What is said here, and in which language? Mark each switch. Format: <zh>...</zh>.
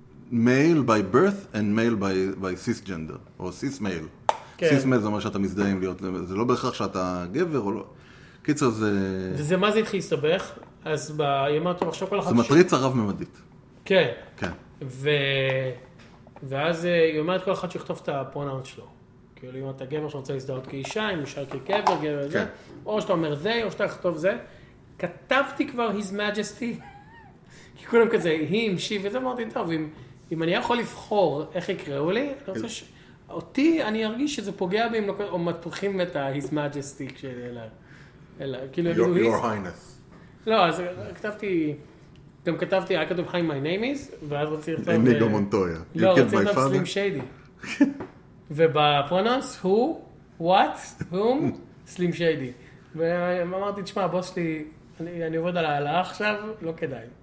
<en>male by birth and male by cis gender.</en> <he>או cis male. cis male זה מה שאתה מזדהה עם להיות. זה לא בהכרח שאתה גבר או לא. קיצר זה... וזה מה זה התחיל להסתבך? אז בימה טוב, עכשיו כל אחד... זה מטריץ הרב-ממדית. כן. כן. ו... ואז היא אומרת כל אחד שיכתוב את הפרונאונט שלו. כאילו אם אתה גבר שרוצה להזדהות כאישה, אם נשאר כגבר, גבר וזה. או שאתה אומר זה, או שאתה יכתוב זה. כתבתי כבר His Majesty. כי כולם כזה, him, she, וזה אמרתי טוב. אם אני יכול לבחור איך יקראו לי, אני רוצה ש... אותי, אני ארגיש שזה פוגע בי, או מתוחים את His Majesty כשאלה. אלא, כאילו...</he> <en>Your Highness.</en> <he>לא, אז כתבתי... גם כתבתי, היה כתוב</he> <en>Hi, my name is,</en> <he>ואז רוצה לכתוב... Enigo Montoya. לא, רוצה לכתוב Slim Shady. ובפרונאונס,</he> <en>who, what, whom, Slim Shady.</en> <he>ואמרתי, תשמע, הבוס שלי, אני עובד על ההעלאה עכשיו, לא כדאי.</he>